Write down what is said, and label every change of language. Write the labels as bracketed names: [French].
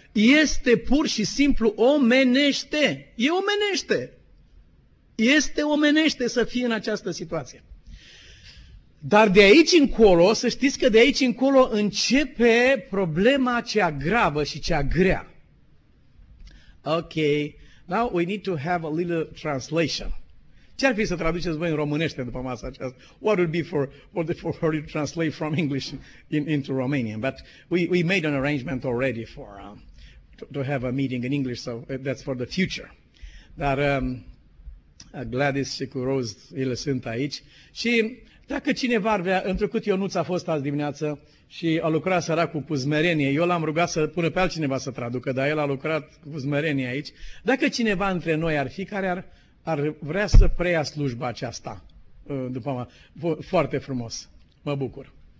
[Romanian] Este pur și simplu omenește. E omenește. Este omenește să fie în această situație. Dar de aici încolo, să știți că de aici încolo începe problema cea gravă și cea grea. Ok. [English] Now we need to have a little translation. [Romanian] Ce ar fi să traduceți voi în românește după masa aceasta? [English] What would be for you to translate from English into Romanian? But we made an arrangement already for to have a meeting in English, so that's for the future. [Romanian] Dar Gladys și cu Rose, ele sunt aici. Și dacă cineva ar vrea, întrucât Ionuț a fost azi dimineață și a lucrat săracul cu zmerenie, eu l-am rugat să pună pe altcineva să traducă, dar el a lucrat cu zmerenie aici. Dacă cineva între noi ar fi care ar vrea să preia slujba aceasta, după foarte frumos, mă bucur.